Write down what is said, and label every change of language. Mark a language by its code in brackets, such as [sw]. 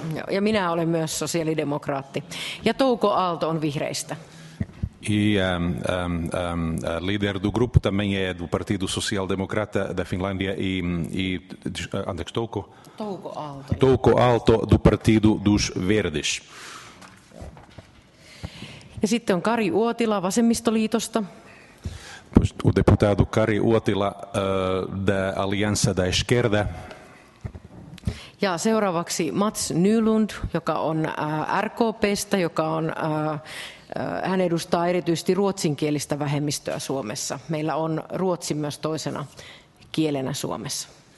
[fi] Ja minä olen myös sosiaalidemokraatti. Ja Touko Aalto on vihreistä. [pt] E a líder do grupo também é do Partido Socialdemocrata da Finlândia e Touko? Touko Aalto, do Partido dos Verdes. [fi] Ja sitten on Kari Uotila vasemmistoliitosta. [pt] O deputado Kari Uotila da Aliança da Esquerda. [fi] Ja seuraavaksi Mats Nylund, joka on RKP:stä, joka on hän edustaa erityisesti ruotsinkielistä vähemmistöä Suomessa. Meillä on ruotsi myös toisena kielenä Suomessa.